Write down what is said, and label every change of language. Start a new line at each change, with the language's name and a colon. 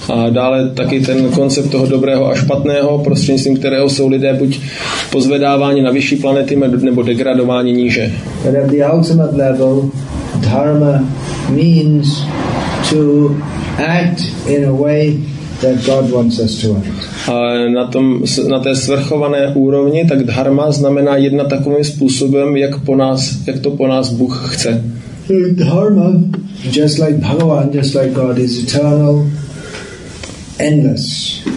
Czech: A dále taky ten koncept toho dobrého a špatného, prostřednictvím kterého jsou lidé buď pozvedáváni na vyšší planety nebo degradováni níže.
English: But at the ultimate level, dharma means to act in a way that God wants us to act.
Czech: A na té svrchované úrovni, tak dharma znamená jednat takovým způsobem, jak to po nás Bůh chce.
English: Dharma, just like Bhagavan, just like God, is eternal, endless.